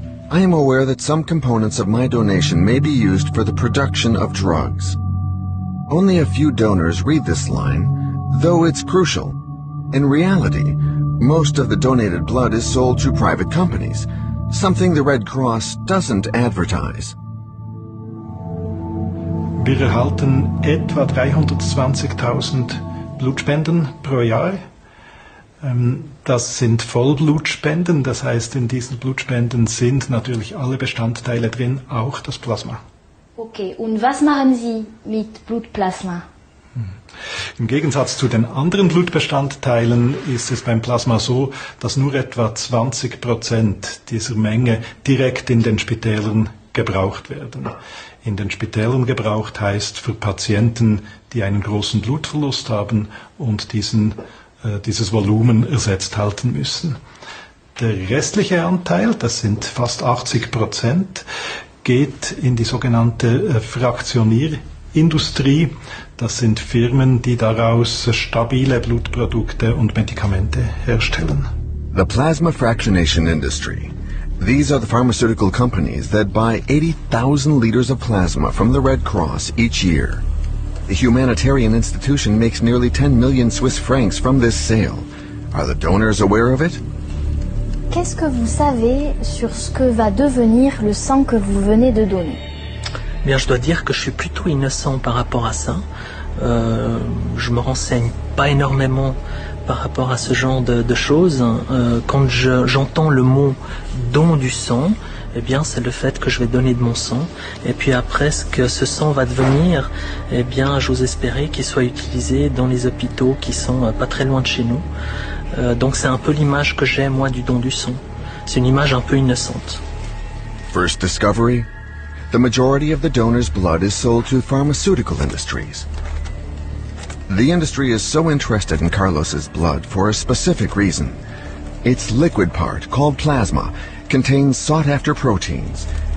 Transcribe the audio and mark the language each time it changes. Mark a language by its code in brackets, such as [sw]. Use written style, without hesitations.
[en] I am aware that some components of my donation may be used for the production of drugs. Only a few donors read this line, though it's crucial. In reality, most of the donated blood is sold to private companies, something the Red Cross doesn't advertise. [de] Wir erhalten etwa 320.000 Blutspenden pro Jahr. Das sind Vollblutspenden, das heißt, in diesen Blutspenden sind natürlich alle Bestandteile drin, auch das Plasma. Okay, und was machen Sie mit Blutplasma? Im Gegensatz zu den anderen Blutbestandteilen ist es beim Plasma so, dass nur etwa 20% dieser Menge direkt in den Spitälern gebraucht werden. In den Spitälern gebraucht heißt für Patienten, die einen großen Blutverlust haben und dieses Volumen ersetzt halten müssen. Der restliche Anteil, das sind fast 80%, geht in die sogenannte Fraktionierindustrie. Das sind Firmen, die daraus stabile Blutprodukte und Medikamente herstellen. [en] The plasma fractionation industry. These are the pharmaceutical companies that buy 80,000 liters of plasma from the Red Cross each year. The humanitarian institution makes nearly 10 million Swiss francs from this sale. Are the donors aware of it? [fr] Qu'est-ce que vous savez sur ce que va devenir le sang que vous venez de donner? Bien, je dois dire que je suis plutôt innocent par rapport à ça. Je me renseigne pas énormément par rapport à ce genre de choses. Quand j'entends le mot don du sang, eh bien, c'est le fait que je vais donner de mon sang. Et puis après, ce que ce sang va devenir, eh bien, j'ose espérer qu'il soit utilisé dans les hôpitaux qui sont pas très loin de chez nous. Donc, c'est un peu l'image que j'ai, moi, du don du sang. C'est une image un peu innocente. [en] First discovery. The majority of the donors' blood is sold to pharmaceutical industries. The industry is so interested in Carlos's blood for a specific reason. Its liquid part, called plasma, contains sought-after proteins.